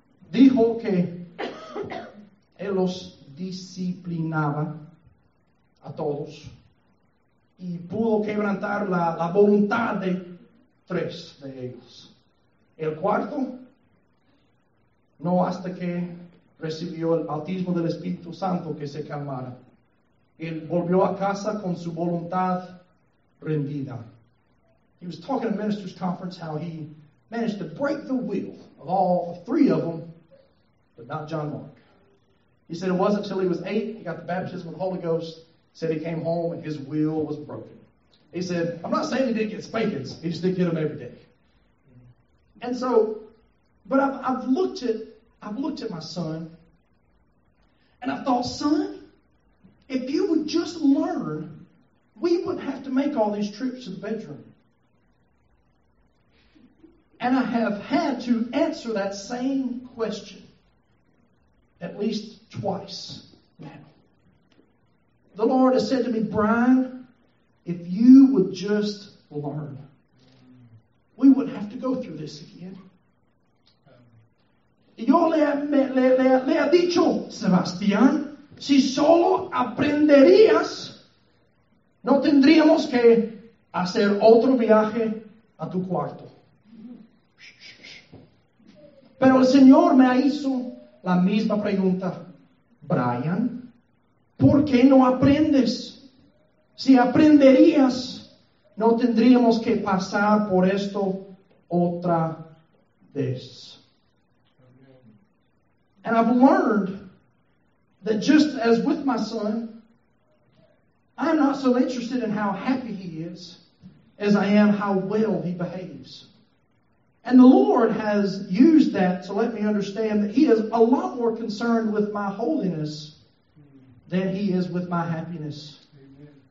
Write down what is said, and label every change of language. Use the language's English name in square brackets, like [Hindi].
[Spanish] Dijo que él los disciplinaba a todos y pudo quebrantar la voluntad de 3 de ellos. El cuarto, no hasta que recibió el bautismo del Espíritu Santo que se calmara. Él volvió a casa con su voluntad rendida. [English] He was talking at ministers' conference how he managed to break the will of all 3 of them, but not John Mark. He said it wasn't until he was 8, he got the baptism with the Holy Ghost, said he came home and his will was broken. He said, I'm not saying he didn't get spankings, he just didn't get them every day. And so, but I've looked at my son, and I thought, son, if you would just learn, we wouldn't have to make all these trips to the bedroom. And I have had to answer that same question at least 2 now. The Lord has said to me, Brian, if you would just learn, we wouldn't have to go through this again. [Spanish] Yo le ha dicho, Sebastián, si solo aprenderías, no tendríamos que hacer otro viaje a tu cuarto. Pero el Señor me hizo la misma pregunta. Brian, ¿por qué no aprendes? Si aprenderías, no tendríamos que pasar por esto otra vez. [English] And I've learned that just as with my son, I'm not so interested in how happy he is as I am how well he behaves. And the Lord has used that to let me understand that he is a lot more concerned with my holiness than he is with my happiness. Amen.